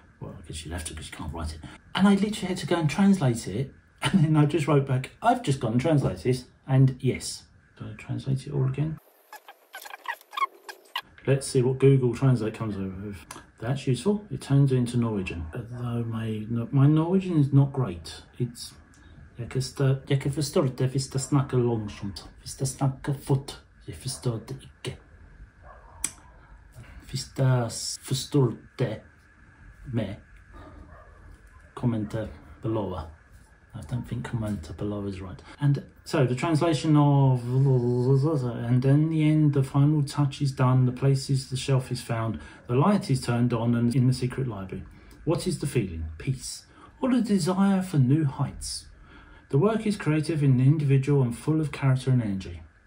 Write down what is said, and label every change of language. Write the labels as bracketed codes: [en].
[en] Well, I guess you'd have to because you can't write it. And I literally had to go and translate it, and then I just wrote back, I've just gone and translated this, and yes. Do I translate it all again? Let's see what Google Translate comes over with. That's useful. It turns it into Norwegian. Although my Norwegian is not great. It's [sv] jag förstår det vi ska snacka långsamt. Vi ska snacka fort. Jag förstår det inte. Vi ska förstå det med kommentar [en] below. I don't think commenter below is right. And so the translation of, and then the end, the final touch is done, the places the shelf is found, the light is turned on and in the secret library. What is the feeling? Peace. Or the desire for new heights. The work is creative and individual and full of character and energy.